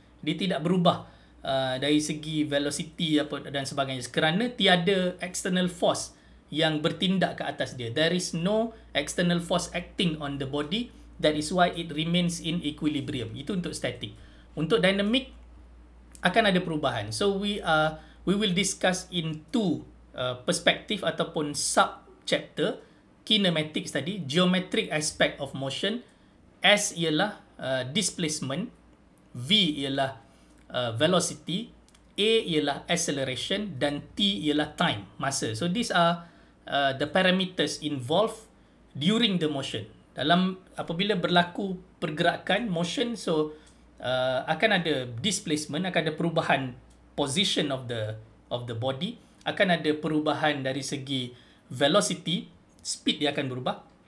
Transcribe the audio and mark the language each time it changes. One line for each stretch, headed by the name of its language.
Malay: Dia tidak berubah dari segi velocity apa dan sebagainya kerana tiada external force yang bertindak ke atas dia.
English: There is no external force acting on the body. That is why it remains in equilibrium.
Malay: Itu untuk static. Untuk dynamic akan ada perubahan.
English: So we will discuss in two perspective
Malay: ataupun
English: sub chapter kinematics tadi, geometric aspect of motion.
Malay: S ialah displacement, V ialah velocity, A ialah acceleration dan T ialah time, masa.
English: So these are the parameters involved during the motion.
Malay: Dalam apabila berlaku pergerakan motion, so akan ada displacement, akan ada perubahan
English: position of the body,
Malay: akan ada perubahan dari segi velocity, speed dia akan berubah.